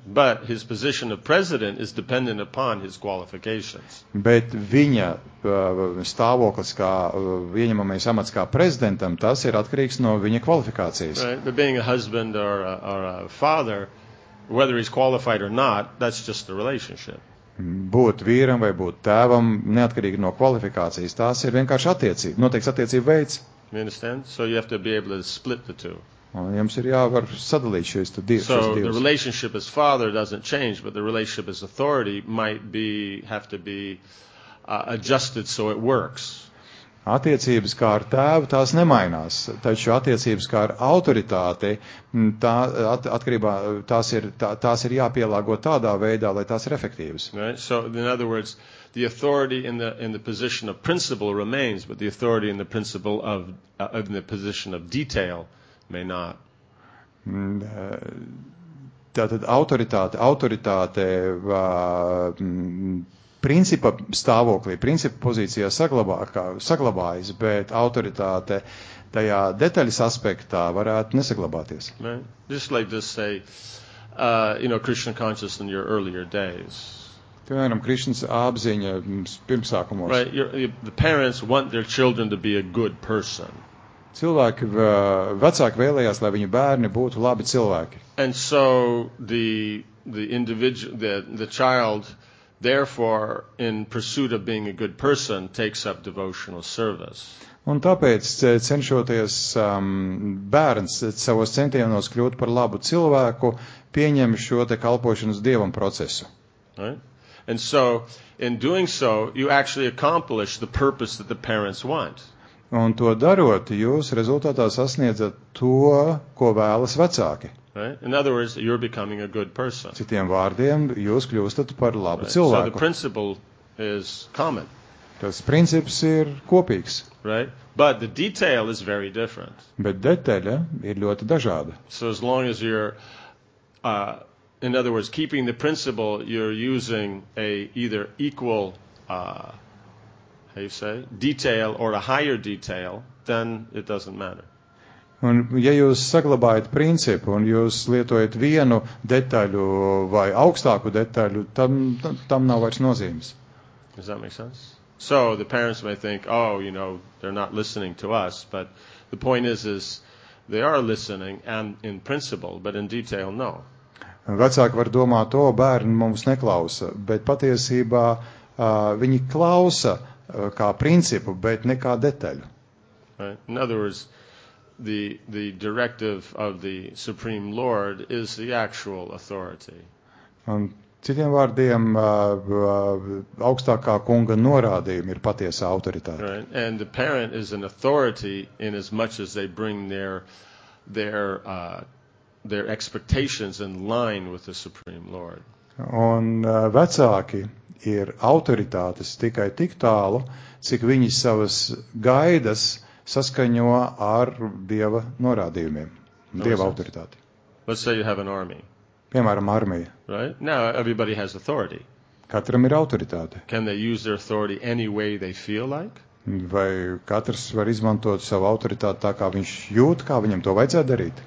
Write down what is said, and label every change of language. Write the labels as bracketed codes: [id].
[en] But his position of president is dependent upon his qualifications. [lv] Bet viņa stāvoklis kā ieņemamais amats kā prezidentam, tas ir atkarīgs no viņa kvalifikācijas. [en] Right? But being a husband or a father, whether he's qualified or not, that's just the relationship. [lv] Būt vīram vai būt tēvam, neatkarīgi no kvalifikācijas, tās ir vienkārši attiecība, noteikti attiecība veids. [en] You understand? So you have to be able to split the two. [lv] Un jums ir jāvar sadalīt šīs divas. [en] So the relationship as father doesn't change, but the relationship as authority might have to be adjusted so it works. [lv] Attiecības kā ar tēvu tās nemainās, taču attiecības kā ar autoritāti tās ir jāpielāgo tādā veidā, lai tās ir efektīvas. [en] Right? So in other words, the authority in the position of principle remains, but the authority in the principle of in the position of detail may not. [lv] Tātad autoritāte principa stāvoklī, principa pozīcijā saglabājas, bet autoritāte tajā detaļas aspektā varētu nesaglabāties. [en] Right. Just like this say, you know, Krishna consciousness in your earlier days. [lv] Piemēram, Krishna's apziņa pirmsākumos. [en] Right, the parents want their children to be a good person. [lv] Cilvēki, vecāki vēlējās, lai viņu bērni būtu labi cilvēki. [en] And so the child, therefore, in pursuit of being a good person, takes up devotional service. [lv] Un tāpēc, cenšoties bērns savos centienos kļūt par labu cilvēku, pieņem šo te kalpošanas Dievam procesu. [en] Right? And so, in doing so, you actually accomplish the purpose that the parents want. [lv] Un to darot, jūs rezultātā sasniedzat to, ko vēlas vecāki. [en] Right? In other words, you're becoming a good person. [lv] Citiem vārdiem, jūs kļūstat par labu right? cilvēku. [en] So the principle is common. [lv] Tas princips ir kopīgs. [en] Right? But the detail is very different. [lv] Bet detaļa ir ļoti dažāda. [en] So as long as you're in other words, keeping the principle, you're using a either equal how you say, detail or a higher detail, then it doesn't matter. [lv] Un ja jūs saglabājat principu un jūs lietojat vienu detaļu vai augstāku detaļu, tam nav vairs nozīmes. [en] Does that make sense? So the parents may think, oh, you know, they're not listening to us, but the point is they are listening and in principle, but in detail, no. [lv] Vecāki var domāt, o, bērni mums neklausa, bet patiesībā viņi klausa kā principu, bet ne kā detaļu. [en] Right. In other words, the directive of the Supreme Lord is the actual authority. [lv] Un citiem vārdiem, augstākā kunga norādījumi ir patiesa autoritāte. [en] Right. And the parent is an authority in as much as they bring their expectations in line with the Supreme Lord. [lv] Un vecāki ir autoritātes tikai tik tālu, cik viņi savas gaidas saskaņo ar Dieva norādījumiem, Dieva autoritāti. [en] Let's say you have an army. [lv] Piemēram, armija. [en] Right? Now everybody has authority. [lv] Katram ir autoritāte. [en] Can they use their authority any way they feel like? [lv] Vai katrs var izmantot savu autoritāti tā, kā viņš jūt, kā viņam to vajadzētu darīt?